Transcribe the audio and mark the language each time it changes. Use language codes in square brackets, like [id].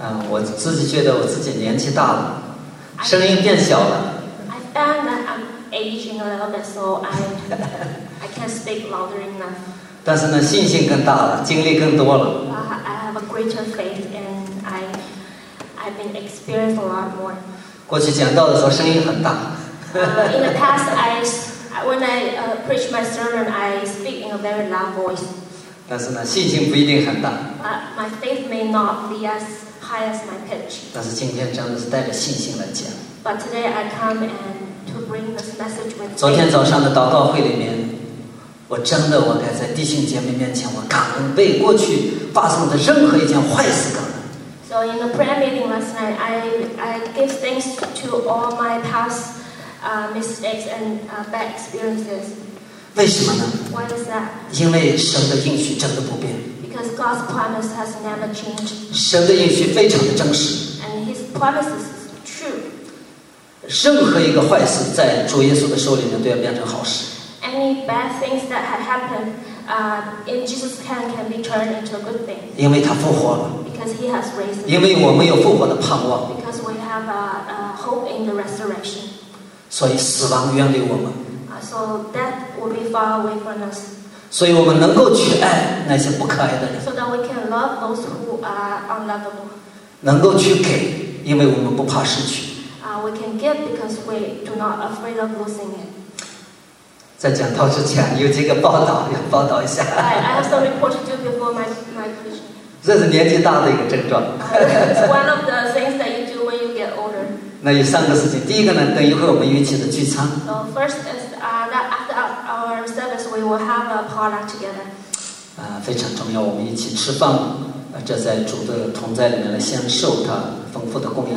[zh] 我自己觉得我自己年纪大了，声音变小了。 [en] I found that I'm aging a little bit, so I can't speak louder enough. [zh] 但是呢，信心更大了，经历更多了。 [en] I have a greater faith, and I've been experienced a lot more. [zh] 过去讲道的时候声音很大。 [en] In the past, when I preach my sermon, I speak in a very loud voice. [zh] 但是呢，信心不一定很大。 [en] My faith may not be as high as my pitch. [zh] 但是今天真的是带着信心来讲。 [en] But today I come and to bring this message with me. [zh] 昨天早上的祷告会里面，我真的我该在弟兄姐妹面前，我感恩被过去发生的任何一件坏事感恩。 [en] So in the prayer meeting last night, I give thanks to all my past mistakes and bad experiences. [zh] 为什么呢？ [en] Why is that? [zh] 因为神的应许真的不变。 [en] Because God's promise has never changed. [zh] 神的应许非常的真实。 [en] And His promises is true. [zh] 任何一个坏事在主耶稣的手里面都要变成好事。 [en] Any bad things that have happened, in Jesus' hand can be turned into a good thing. [zh] 因为他复活了。 [en] Because He has raised. [zh] 因为我们有复活的盼望。 [en] Because we have a hope in the resurrection. [zh] 所以死亡远离我们。 [en] So death will be far away from us. [zh] 所以我们能够去爱那些不可爱的人。 [en] So that we can love those who are unlovable. [zh] 能够去给，因为我们不怕失去。 [en] We can give because we do not afraid of losing it. [zh] 在讲道之前，有这个报道要报道一下。 [en] I have some report to do before my preaching. [zh] 这是年纪大的一个症状。 [en] It's one of the things that you do when you get older. [zh] 那有三个事情，第一个呢，等一会儿我们一起的聚餐。 [en] So first is that after our service we will have a potluck together. [zh] 非常重要，我们一起吃饭，这在主的同在里面来享受他丰富的供应。